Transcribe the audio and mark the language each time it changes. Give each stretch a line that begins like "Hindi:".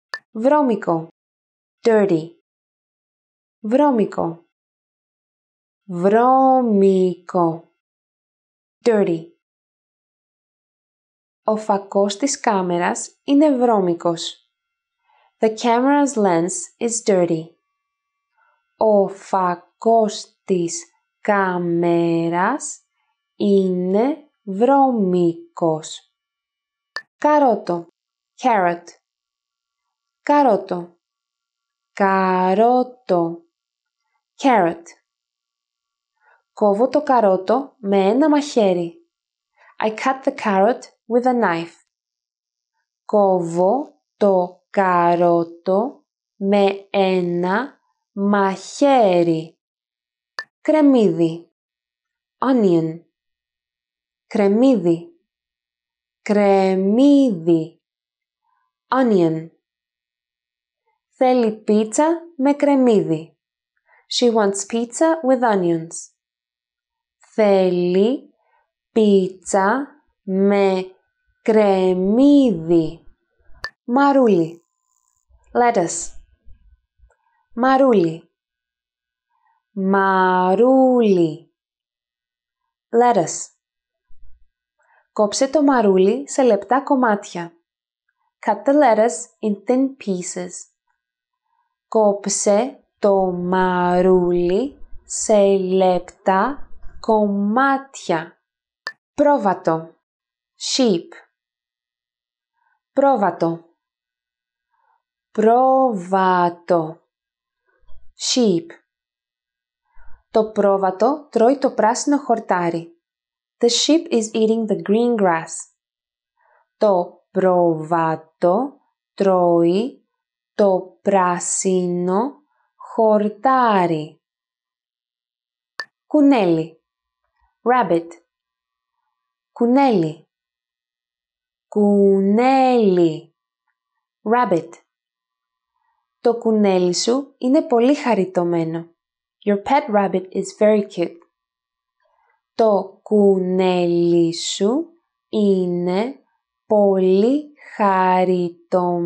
Greek: Βρώμικο. Dirty. Βρώμικο. Βρώμικο.
English: Dirty.
Greek: Ο φακός της κάμερας είναι βρώμικος.
English: The camera's lens is dirty.
Greek: Ο φακός της κάμερας είναι βρώμικος. Καρότο. Carrot. Καρότο. Καρότο.
English: Carrot.
Greek: Κόβω το καρότο με ένα μαχαίρι.
English: I cut the carrot with a knife.
Greek: Κόβω το καρότο με ένα μαχαίρι. Κρεμμύδι. Onion. Κρεμμύδι. Κρεμμύδι.
English: Onion.
Greek: Θέλει πίτσα με κρεμμύδι.
English: She wants pizza with onions.
Greek: Θέλει πίτσα με κρεμμύδι. Μαρούλι. Lettuce. Μαρούλι. Μαρούλι.
English: Lettuce.
Greek: Κόψε το μαρούλι σε λεπτά κομμάτια.
English: Cut the lettuce in thin pieces.
Greek: Κόψε το μαρούλι σε λεπτά κομμάτια. Πρόβατο. Sheep. Πρόβατο. Πρόβατο. Sheep. Το πρόβατο τρώει το πράσινο χορτάρι.
English: The sheep is eating the green grass.
Greek: Το πρόβατο τρώει το πράσινο χορτάρι. Κουνέλι.
English: Rabbit.
Greek: Κουνέλι. Κουνέλι.
English: Rabbit.
Greek: Το κουνέλι σου είναι πολύ χαριτωμένο.
English: Your pet rabbit is very cute.
Greek: Το κουνέλι σου είναι πολύ χαριτωμένο.